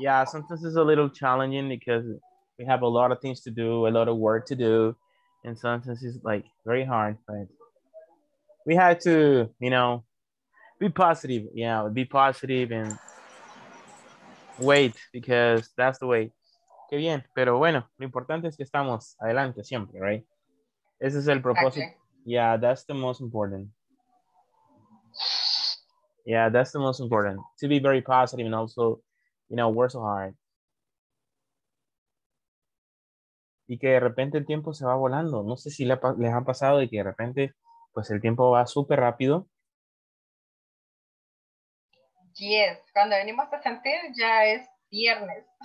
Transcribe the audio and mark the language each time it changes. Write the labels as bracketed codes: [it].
[en] Sometimes it's a little challenging because we have a lot of things to do, a lot of work to do, and sometimes it's like very hard, but we have to, you know, be positive, yeah, be positive and wait, because that's the way. [es] Qué bien, pero bueno, lo importante es que estamos adelante siempre, right? Ese es el propósito. [en] Exactly. Yeah, that's the most important. Yeah, that's the most important, to be very positive and also, you know, work so hard. [es] Y que de repente el tiempo se va volando. No sé si les ha pasado y que de repente pues el tiempo va súper rápido. Yes, cuando venimos a sentir ya es viernes.